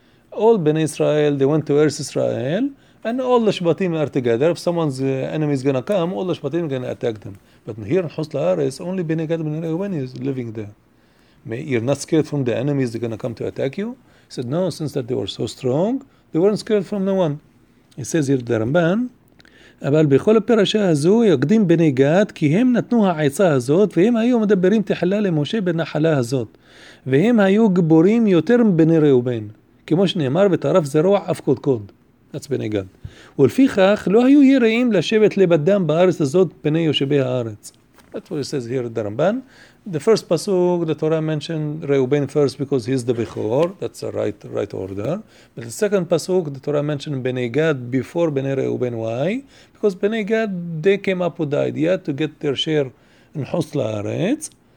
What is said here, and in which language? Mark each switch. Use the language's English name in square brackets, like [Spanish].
[English] All Ben Israel, they went to Eretz Israel, and all the Shbatim are together. If someone's enemy is going to come, all the Shbatim are going to attack them. But here in Chutz La'aretz, only B'nai Gad B'nai Reuben is living there. You're not scared from the enemies, they're going to come to attack you? He said, no, since that they were so strong, they weren't scared from no one. He says here, the Ramban, [Hebrew] אבל בכל הפרשה הזו יקדים בני גד כי הם נתנו העצה הזאת והם היו מדברים תחלה למשה בנחלה הזאת והם היו גבורים יותר מבני ראובן כמו שנאמר ותערף זרוע אף קודקוד. [English] That's B'nai Gad. [Hebrew] ולפיכך, לא היו יראים לשבת לבדם בארץ הזאת בני יושבי הארץ. [English] That's what it says here at the Ramban. The first Pasuk, the Torah mentioned Reuben first because he's the Bechor. That's the right order. But the second Pasuk, the Torah mentioned B'nai Gad before B'nai Reuben. Why? Because B'nai Gad, they came up with the idea to get their share in Chutz La'aretz.